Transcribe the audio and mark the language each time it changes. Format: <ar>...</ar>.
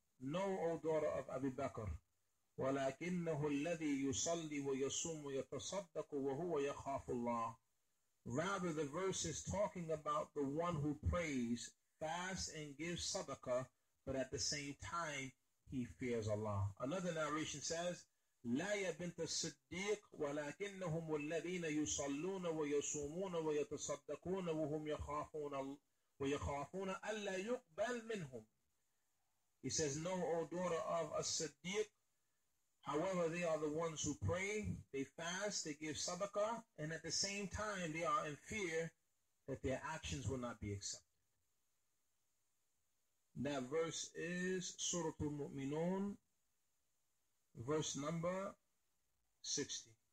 <en>No, O daughter of Abi Bakr.</en> <ar>وَلَكِنَّهُ الَّذِي يُصَلِّي وَيَصُومُ وَيَتَصَدَّقُ وَهُوَ يَخَافُ اللَّهِ.</ar> <en>Rather, the verse is talking about the one who prays, fasts, and gives sadaqah, but at the same time, he fears Allah. Another narration says,</en> <ar>لَيَا بِنْتَ الصِّدِّيقِ وَلَكِنَّهُمُ الَّذِينَ يُصَلُّونَ وَيَصُومُونَ وَيَتَصَدَّقُونَ وَهُمْ يَخَافُونَ أَلَّا يُقْبَلْ مِنْهُمْ.</ar> <en>He says, No, O daughter of As-Siddiq, however, they are the ones who pray, they fast, they give sadaqah, and at the same time, they are in fear that their actions will not be accepted. That verse is Suratul Mu'minun, verse number 60.</en>